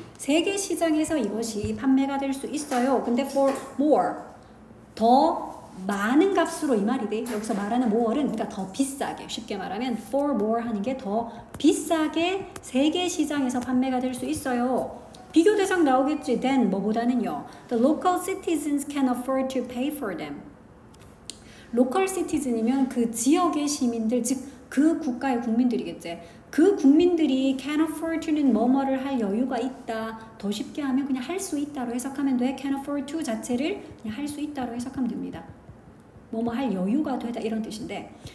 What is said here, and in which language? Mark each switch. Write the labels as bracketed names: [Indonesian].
[Korean] 세계 시장에서 이것이 판매가 될 수 있어요. 근데 [English] for more, [Korean] 더 많은 값으로 이 말이 돼. 여기서 말하는 more은 그러니까 더 비싸게, 쉽게 말하면 [English] for more [Korean] 하는 게 더 비싸게 세계 시장에서 판매가 될 수 있어요. 비교 대상 나오겠지. Then 뭐보다는요. [English] The local citizens can afford to pay for them. [Korean] Local citizen이면 그 지역의 시민들, 즉 그 국가의 국민들이겠지. 그 국민들이 can afford to는 뭐뭐를 할 여유가 있다. 더 쉽게 하면 그냥 할 수 있다로 해석하면 돼. [English] Can afford to [Korean] 자체를 그냥 할 수 있다로 해석하면 됩니다. 뭐뭐 할 여유가 되다 이런 뜻인데.